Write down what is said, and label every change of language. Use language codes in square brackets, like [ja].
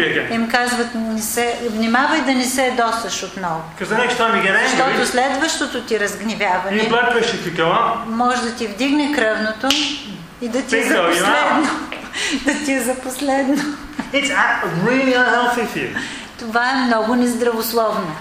[bg] Им казват, внимавай да не се ядосаш отново. Защото следващото ти разгневяване може да ти вдигне кръвното и да ти за последно. Да ти е за последно. [en] It's really unhealthy for you. [bg] Това е много нездравословно.